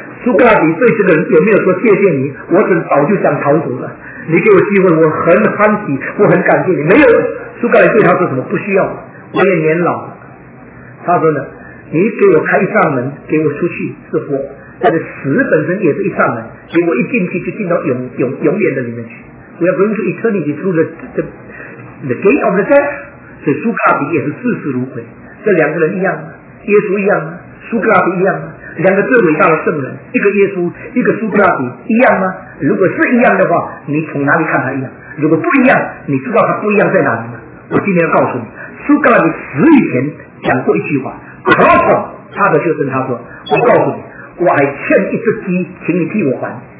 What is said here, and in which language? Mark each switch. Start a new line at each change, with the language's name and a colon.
Chinese: 苏格拉底对这个人有没有说谢谢你，我很早就想逃走了，你给我机会我很欢喜，我很感谢你。没有，苏格拉底对他说什么，不需要，我也年老了。他说呢，你给我开一扇门给我出去是活，但是死本身也是一扇门，给我一进去就进到 永远的里面去。
English: We are going to eternity through the gate of the death。
Chinese: 所以苏格拉底也是视死如归，这两个人一样，耶稣一样，苏格拉底一样，两个最伟大的圣人，一个耶稣一个苏格拉底，一样吗？如果是一样的话，你从哪里看他一样？如果不一样，你知道他不一样在哪里吗？我今天要告诉你，苏格拉底死以前讲过一句话，可否他的学生他说，我告诉你，我还欠一只鸡，请你替我还。